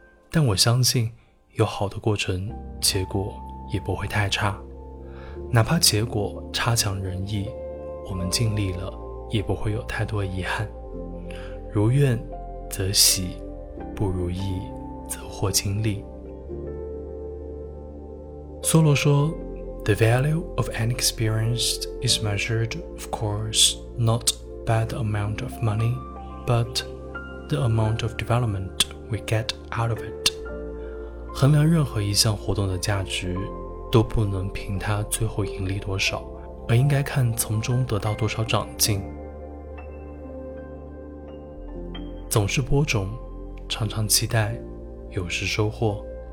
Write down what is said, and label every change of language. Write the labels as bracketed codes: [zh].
[zh] 但我相信，有好的过程，结果也不会太差。哪怕结果差强人意，我们尽力了，也不会有太多遗憾。如愿则喜，不如意则获经历。梭罗说， [en] The value of an experience is measured, of course, not by the amount of money, but the amount of development we get out of it. [zh] 衡量任何一项活动的价值，都不能凭它最后盈利多少，而应该看从中得到多少长进。总是播种，常常期待，有时收获。